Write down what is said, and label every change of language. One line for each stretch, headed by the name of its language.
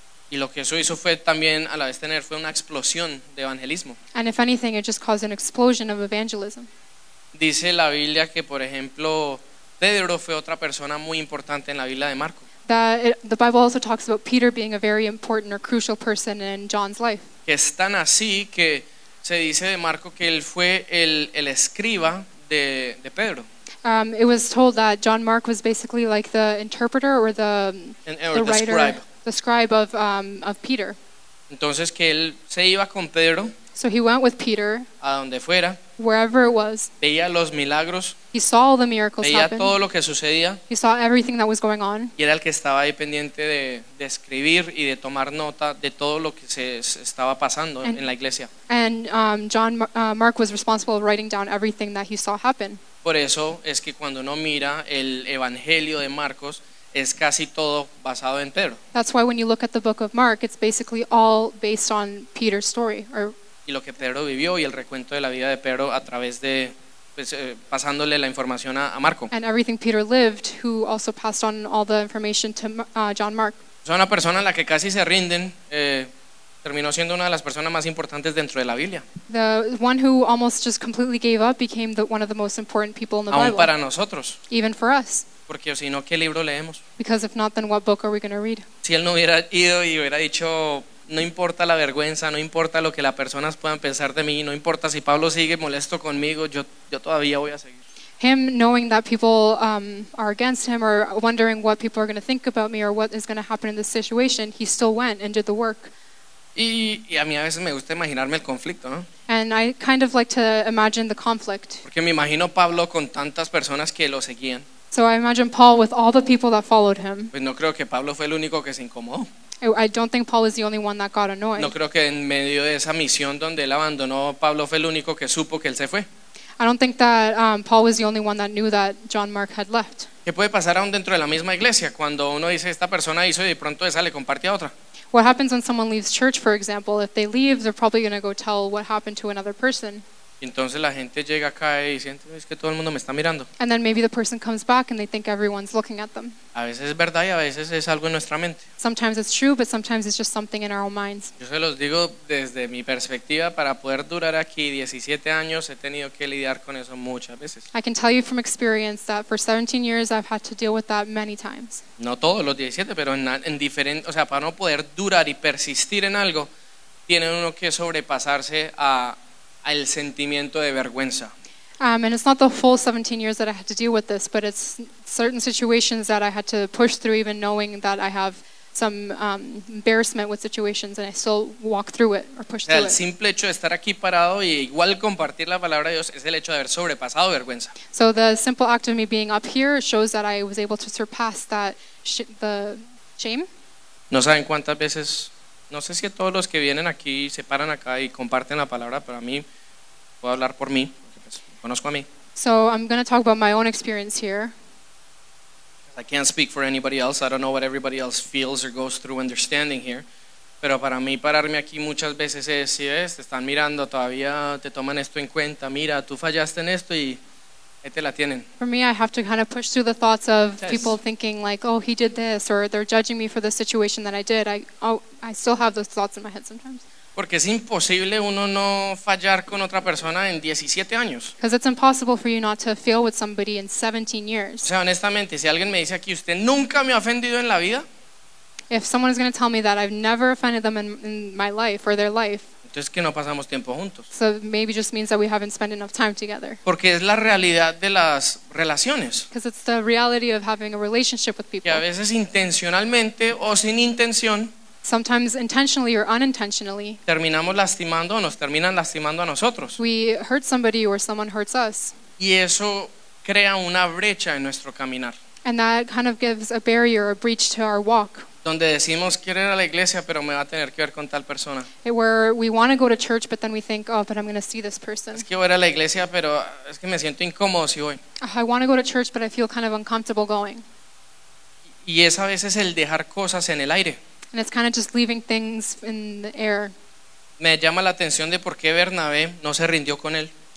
Spanish: Y lo que eso hizo fue también a la vez tener fue una explosión de evangelismo.
English: And if anything, it just caused an explosion of evangelism.
Spanish: Dice la Biblia que, por ejemplo, Pedro fue otra persona muy importante en la vida de Marco.
English: The Bible also talks about Peter being a very important or crucial person in John's life.
Spanish: Que es tan así que se dice de Marco que él fue el escriba de Pedro.
English: It was told that John Mark was basically like the interpreter or the writer. Scribe. The scribe of Peter.
Spanish: Entonces que él se iba con Pedro.
English: So he went with Peter.
Spanish: A donde fuera.
English: Wherever it was.
Spanish: Veía los milagros.
English: He saw all the miracles
Spanish: veía
English: happen.
Spanish: Veía todo lo que sucedía.
English: He saw everything that was going on.
Spanish: Y era el que estaba ahí pendiente de escribir y de tomar nota de todo lo que se estaba pasando en la iglesia.
English: And Mark was responsible for writing down everything that he saw happen.
Spanish: Por eso es que cuando uno mira el evangelio de Marcos es casi todo basado en Pedro.
English: That's why when you look at the book of Mark, it's basically all based on Peter's story.
Spanish: Y lo que Pedro vivió y el recuento de la vida de Pedro a través de, pues, pasándole la información a Marco.
English: And everything Peter lived, who also passed on all the information to John Mark.
Spanish: Es una persona a la que casi se rinden, terminó siendo una de las personas más importantes dentro de la Biblia.
English: The one who almost just completely gave up became one of the most important people in the Bible.
Spanish: Aún para nosotros.
English: Even for us.
Spanish: Porque si no, ¿qué libro leemos?
English: Because if not, then what book are we going to read?
Spanish: Si él no hubiera ido y hubiera dicho, no importa la vergüenza, no importa lo que las personas puedan pensar de mí, no importa si Pablo sigue molesto conmigo, yo todavía voy a seguir.
English: Him knowing that people are against him or wondering what people are going to think about me or what is going to happen in this situation, he still went and did the work.
Spanish: Y a mí a veces me gusta imaginarme el conflicto, ¿no?
English: And I kind of like to imagine the conflict.
Spanish: Porque me imagino Pablo con tantas personas que lo seguían.
English: So I imagine Paul with all the people that followed him.
Spanish: Pues no creo que Pablo fue el único que se incomodó.
English: I don't think Paul was the only one that got annoyed.
Spanish: No creo que en medio de esa misión donde él abandonó, Pablo fue el único que supo que él se fue.
English: I don't think that Paul was the only one that knew that John Mark had left.
Spanish: ¿Qué puede pasar aún dentro de la misma iglesia cuando uno dice esta persona hizo y de pronto esa le comparte a otra?
English: What happens when someone leaves church, for example? If they leave, they're probably going to go tell what happened to another person.
Spanish: Entonces la gente llega acá y siente, es que todo el mundo me está mirando.
English: And then maybe the person comes back and they think everyone's looking at them.
Spanish: A veces es verdad y a veces es algo en nuestra mente.
English: Sometimes it's true, but sometimes it's just something in our own minds.
Spanish: Yo se los digo desde mi perspectiva, para poder durar aquí 17 años he tenido que lidiar con eso muchas veces.
English: I can tell you from experience that for 17 years I've had to deal with that many times.
Spanish: No todos los 17, pero en diferente, o sea, para no poder durar y persistir en algo tiene uno que sobrepasarse al sentimiento de vergüenza.
English: And it's not the full 17 years that I had to deal with this, but it's certain situations that I had to push through, even knowing that I have some embarrassment with situations, and I still walk through it or push through it.
Spanish: El simple hecho de estar aquí parado y igual compartir la palabra de Dios es el hecho de haber sobrepasado vergüenza.
English: So the simple act of me being up here shows that I was able to surpass that the Shame.
Spanish: No saben cuántas veces, no sé si todos los que vienen aquí se paran acá y comparten la palabra, pero a mí, puedo hablar por mí, porque pues, conozco a mí.
English: So I'm going to talk about my own experience here. I can't speak for anybody else. I don't know what everybody else feels or goes through when they're standing here.
Spanish: Pero para mí pararme aquí muchas veces es, si ves, te están mirando todavía, te toman esto en cuenta. Mira, tú fallaste en esto y ahí te la tienen.
English: For me, I have to kind of push through the thoughts of people thinking like, oh, he did this, or they're judging me for the situation that I did. I still have those thoughts in my head sometimes.
Spanish: Porque es imposible uno no fallar con otra persona en 17 años.
English: Because it's impossible for you not to fail with somebody in 17 years.
Spanish: O sea, honestamente, si alguien me dice aquí, usted nunca me ha ofendido en la vida.
English: If someone is going to tell me that I've never offended them in my life or their life.
Spanish: Entonces que no pasamos tiempo juntos.
English: So maybe just means that we haven't spent enough time together.
Spanish: Porque es la realidad de las relaciones.
English: Because it's the reality of having a relationship with people.
Spanish: Y a veces intencionalmente o sin intención.
English: Sometimes intentionally or unintentionally.
Spanish: Terminamos lastimando o nos terminan lastimando a nosotros.
English: We hurt somebody or someone hurts us.
Spanish: Y eso crea una brecha en nuestro caminar.
English: And that kind of gives a barrier, a breach to our walk.
Spanish: Donde decimos quiero ir a la iglesia pero me va a tener que ver con tal persona.
English: Where we want to go to church but then we think, oh, but I'm going to see this person.
Spanish: Es que voy a la iglesia pero es que me siento incómodo si voy.
English: I want to go to church but I feel kind of uncomfortable going.
Spanish: Y es a veces el dejar cosas en el aire.
English: And it's kind of just leaving things in the air.
Spanish: Me llama la atención de por qué Bernabé no se rindió con él.